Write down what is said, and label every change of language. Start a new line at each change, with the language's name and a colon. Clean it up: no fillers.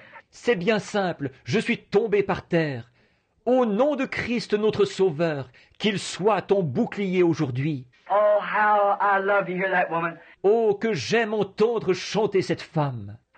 French: C'est bien simple, je suis tombé par terre. Au nom de Christ notre Sauveur, qu'il soit ton bouclier aujourd'hui.
English: Oh, how I love to hear that woman.
French: Oh, que j'aime entendre chanter cette femme.